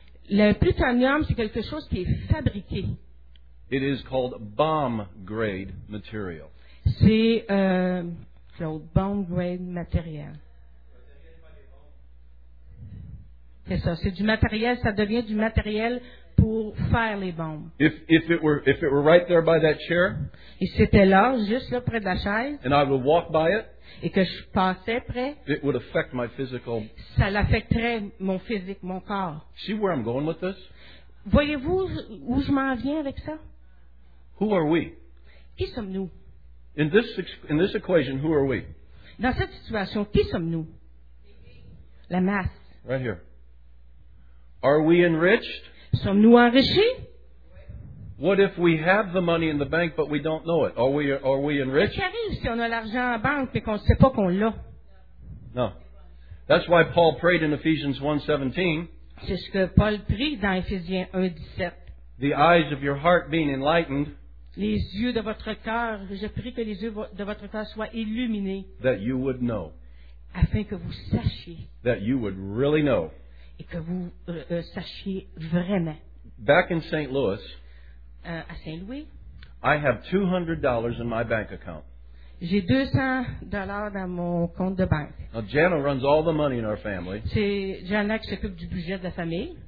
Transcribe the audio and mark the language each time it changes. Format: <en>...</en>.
<fr>Le plutonium, c'est quelque chose qui est fabriqué.</fr> <en>It is called bomb-grade material.</en> <fr>C'est Claude,</fr> <en>bomb-grade material.</en> <fr>C'est ça, c'est du matériel, ça devient du matériel pour faire les bombes.</fr> <en>If it were right there by that chair,</en> <fr>et c'était là, juste là près de la chaise,</fr> <en>and I would walk by it,</en> <fr>et que je passais près,</fr> <en>it would affect my physical.</en> <fr>Ça l'affecterait mon physique, mon corps.</fr> <en>See where I'm going with this?</en> <fr>Voyez-vous où je m'en viens avec ça?</fr> <en>Who are we?</en> <fr>Qui sommes-nous?</fr> <en>In this equation, who are we?</en> <fr>Dans cette situation, qui sommes-nous? La masse.</fr> <en>Right here. Are we enriched?</en> <fr>Sommes-nous enrichis?</fr> <en>What if we have the money in the bank but we don't know it? Are we enriched?</en> <fr>Qu'est-ce qui arrive si on a l'argent en banque mais qu'on ne sait pas qu'on l'a?</fr> <en>No. That's why Paul prayed in Ephesians 1:17.</en> <fr>C'est ce que Paul prie dans Ephésiens 1:17.</fr> <en>The eyes of your heart being enlightened.</en> <fr>Les yeux de votre cœur, je prie que les yeux de votre cœur soient illuminés.</fr> <en>That you would know.</en> <fr>Afin que vous sachiez.</fr> <en>That you would really know.</en> <fr>Et que vous sachiez vraiment.</fr> <en>Back in St. Louis.</en> <fr>À Saint-Louis.</fr> <en>I have $200 in my bank account.</en> <fr>J'ai $200 dans mon compte de banque.</fr> <en>Now, Jana runs all the money in our family.</en> <fr>C'est Jana qui s'occupe du budget de la famille.</fr>